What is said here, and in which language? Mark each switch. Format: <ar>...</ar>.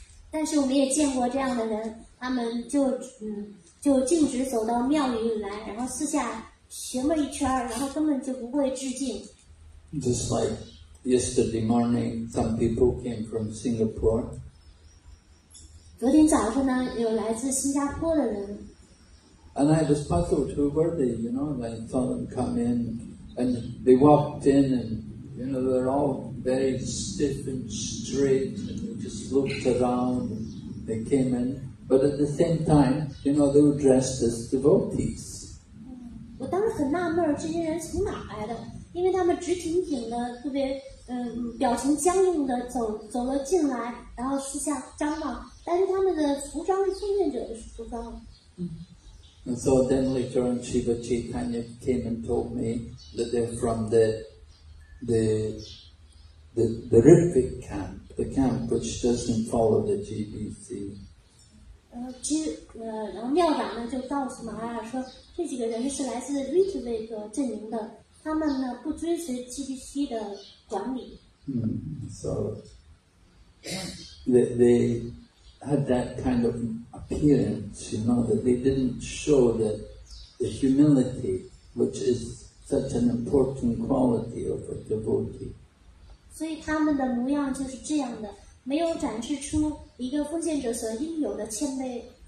<zh>但是我们也见过这样的人，他们就径直走到庙里来，然后四下寻了一圈，然后根本就不会致敬。</zh> <en>Just like yesterday morning, some people came from Singapore.</en> <zh>昨天早上呢，有来自新加坡的人。</zh> <en>And I was puzzled, who were they? You know, I saw them come in, and they walked in, and you know, they're all very stiff and straight, and they just looked around, and they came in. But at the same time, you know, they were dressed as devotees.</en> <zh>我当时很纳闷，这些人从哪来的？因为他们直挺挺的，特别表情僵硬的走了进来，然后四下张望，但是他们的服装是见证者的服装。</zh> <en>And so then later on, Shiva Chaitanya came and told me that they're from the Ripik camp, the camp which doesn't follow the GBC.</en> <zh>然后庙长呢就告诉马拉雅说，这几个人是来自 Ritvik 阵营的，他们呢不遵循 GBC 的管理。</zh> <en>So they had that kind of appearance, you know, that they didn't show the humility, which is such an important quality of a devotee.</en> <zh>所以他们的模样就是这样的。没有展示出一个奉献者所应有的谦卑。</zh>